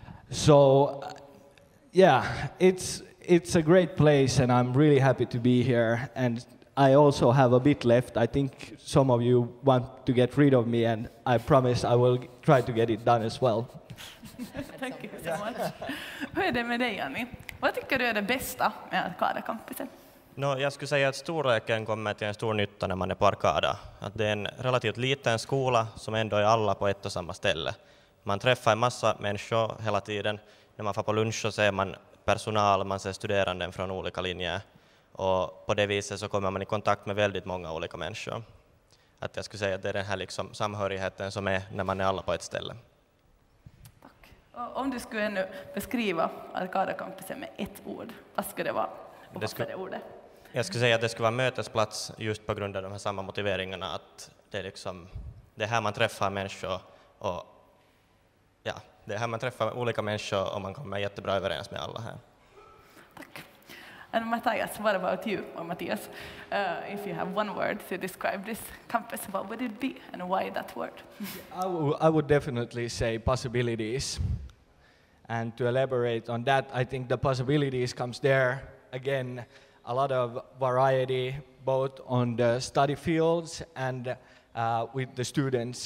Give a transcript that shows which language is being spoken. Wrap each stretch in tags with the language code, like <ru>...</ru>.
<en>So yeah, it's a great place, and I'm really happy to be here. And I also have a bit left. I think some of you want to get rid of me, and I promise I will try to get it done as well. Thank you so much.</en> <sv>Hur är det med dig, Jani? Vad tycker du är det bästa med Arcada-campusen? No, jag skulle säga att storleken kommer till en stor nytta när man är på Arcada. Att det är en relativt liten skola som ändå är alla på ett och samma ställe. Man träffar en massa människor hela tiden. När man får på lunch så ser man personal, man ser studeranden från olika linjer, och på det viset så kommer man i kontakt med väldigt många olika människor. Att jag skulle säga att det är den här liksom samhörigheten som är när man är alla på ett ställe. Tack. Och om du skulle nu beskriva Arcada-campusen med ett ord, vad skulle det vara? Och vad skulle det ordet? Jag skulle säga att det skulle vara mötesplats just på grund av de här samma motiveringarna, att det är liksom det här man träffar människor och ja, det här man träffar olika människor och man kommer jättebra överens med alla här. Tack.</sv> <en>And Matthias, what about you? Or Matthias, if you have one word to describe this campus, what would it be and why that word? I would definitely say possibilities. And to elaborate on that, I think the possibilities comes there again, a lot of variety, both on the study fields and with the students.</en>